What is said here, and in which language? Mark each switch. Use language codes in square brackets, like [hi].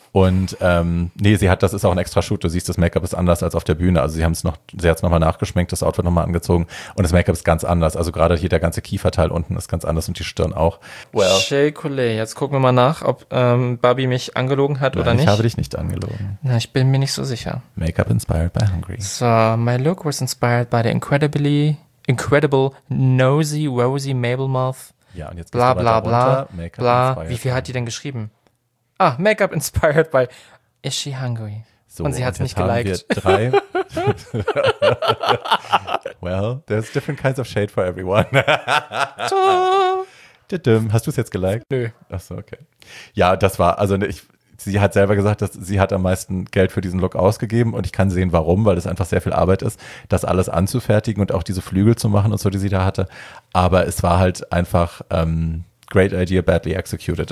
[de] Und nee, sie hat, das ist auch ein extra Shoot, du siehst, das Make-up ist anders als auf der Bühne. Also sie haben es noch, sie hat es nochmal nachgeschminkt, das Outfit nochmal angezogen und das Make-up ist ganz anders. Also gerade hier der ganze Kieferteil unten ist ganz anders und die Stirn auch. [en] Well. [de] Shay Coley, jetzt gucken wir mal nach, ob Barbie mich angelogen hat oder nicht. Ich habe dich nicht angelogen. Na, ich bin mir nicht so sicher. [en] Make-up inspired by Hungry. So, my look was inspired by the incredible nosy, rosy Mabel Moth. [de] Ja, und jetzt geht's bla, bla, runter. Bla, bla, wie viel hat die denn geschrieben? [en] Ah, Make-up inspired by Is She Hungry? [de] So, und sie hat es nicht geliked. Wir drei. [en] Well, there's different kinds of shade for everyone. Tudum. [de] Hast du es jetzt geliked? Nö. Achso, okay. Ja, das war, also sie hat selber gesagt, dass sie hat am meisten Geld für diesen Look ausgegeben und ich kann sehen, warum, weil es einfach sehr viel Arbeit ist, das alles anzufertigen und auch diese Flügel zu machen und so, die sie da hatte. Aber es war halt einfach [en] great idea, badly executed.